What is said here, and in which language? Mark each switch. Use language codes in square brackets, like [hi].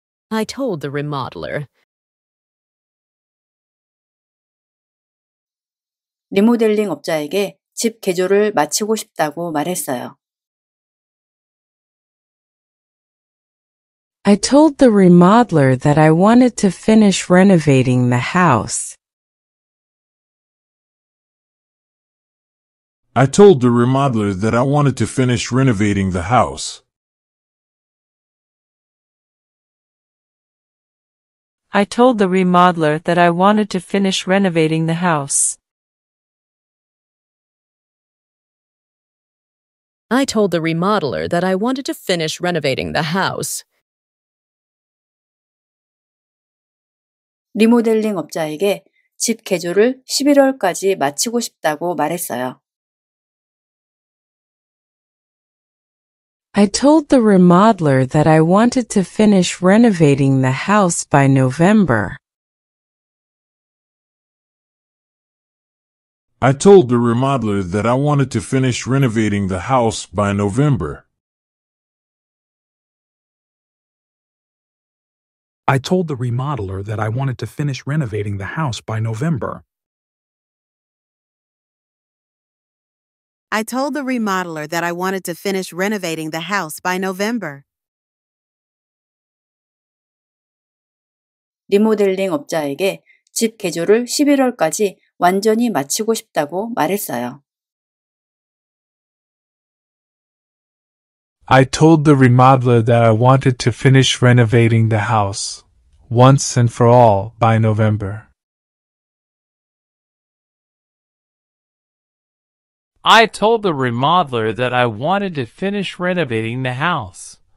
[en] I told the remodeler. [ko] 리모델링 업자에게 집 개조를 마치고 싶다고 말했어요. [en] I told the remodeler that I wanted to finish renovating the house. I told the remodeler that I wanted to finish renovating the house. I told the remodeler that I wanted to finish renovating the house. I told the remodeler that I wanted to finish renovating the house. [ko] 리모델링 업자에게 집 개조를 11월까지 마치고 싶다고 말했어요. [en] I told the remodeler that I wanted to finish renovating the house by November. I told the remodeler that I wanted to finish renovating the house by November. I told the remodeler that I wanted to finish renovating the house by November. I told the remodeler that I wanted to finish renovating the house by November. [ko] 리모델링 업자에게 집 개조를 11월까지 완전히 마치고 싶다고 말했어요. [en] I told the remodeler that I wanted to finish renovating the house. Once and for all, by November. I told the remodeler that I wanted to finish renovating the house.